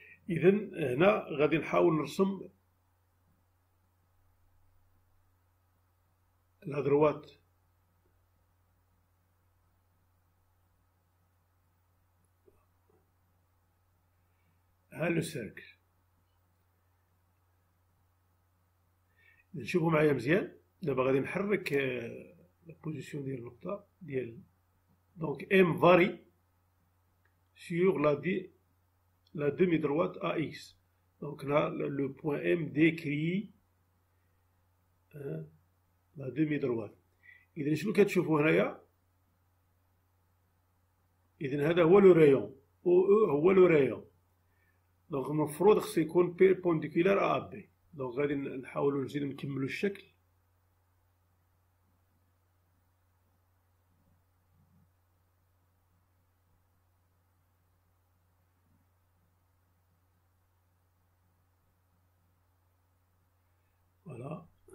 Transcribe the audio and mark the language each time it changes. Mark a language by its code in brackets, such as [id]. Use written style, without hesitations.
[ar] إذن هنا غادي نحاول نرسم الأدروات ها لو سيركل. نشوفو معايا مزيان. دابا غادي نحرك لا بوزيسيون ديال النقطة ديال دونك ام فاري [fr] sur la demi-droite AX. Donc là, le point M décrit la demi-droite. [ar] إذن شنو كتشوفوا هنايا؟ إذن هذا هو لو رايون، أو أو هو لو رايون، دونك المفروض خصو يكون بيربونديكولار أ بي، دونك غادي نحاولو نزيدو نكملو الشكل، فوالا.